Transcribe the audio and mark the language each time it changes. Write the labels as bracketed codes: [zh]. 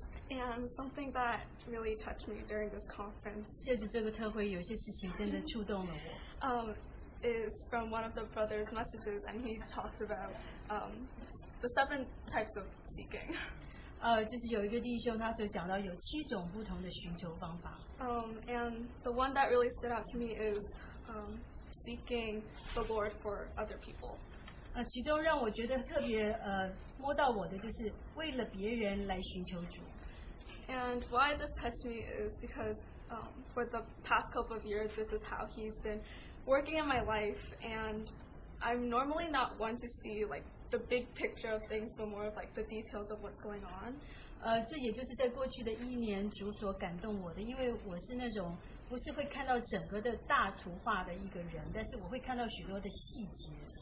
[en] And something that really touched me during this conference. [zh] 借着这个特会，有些事情真的触动了我。 [en] Is from one of the brothers' messages, and he talks about the 7 types of seeking. [zh] 就是有一个弟兄，他所讲到有七种不同的寻求方法。 [en] And the one that really stood out to me is seeking the Lord for other people. [zh] 其中让我觉得特别摸到我的就是为了别人来寻求主。 [en] And why this touched me is because for the past couple of years, this is how he's been working in my life. And I'm normally not one to see like the big picture of things, but more of like the details of what's going on. [zh] 这也就是在过去的一年主所感动我的，因为我是那种不是会看到整个的大图画的一个人，但是我会看到许多的细节。